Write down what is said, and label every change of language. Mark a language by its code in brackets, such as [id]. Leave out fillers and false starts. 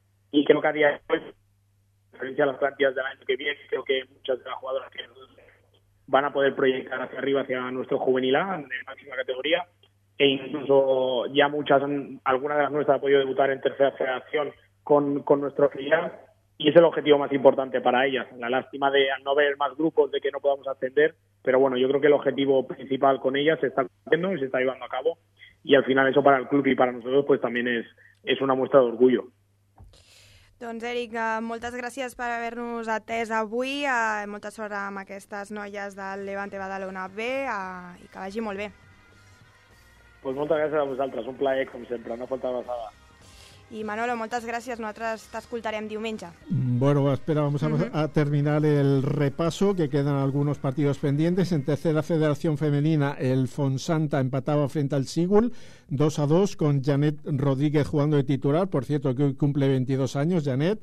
[es] Y creo que a día de hoy, en referencia a las plantillas del año que viene, creo que muchas de las jugadoras que van a poder proyectar hacia arriba, hacia nuestro juvenil A, de máxima categoría, e incluso ya muchas, algunas de las nuestras han podido debutar en tercera federación con nuestro filial, y es el objetivo más importante para ellas. La lástima de no ver más grupos, de que no podamos ascender, pero bueno, yo creo que el objetivo principal con ellas se está cumpliendo y se está llevando a cabo, y al final eso para el club y para nosotros pues también es una muestra de orgullo. [ca] Doncs, Eric, moltes gràcies per haver-nos atès avui. Molta sort amb aquestes noies del Levante Badalona B i que vagi molt bé. Pues moltes gràcies a vosaltres. Un plaer, com sempre. Una forta abraçada. Y Manolo, moltes gràcies. Nosaltres t'escoltarem diumenge. [es] Bueno, espera, vamos a terminar el repaso, que quedan algunos partidos pendientes. En tercera federación femenina, el Fonsanta empataba frente al Sigul 2-2 con Janet Rodríguez jugando de titular. Por cierto, que hoy cumple 22 años, Janet.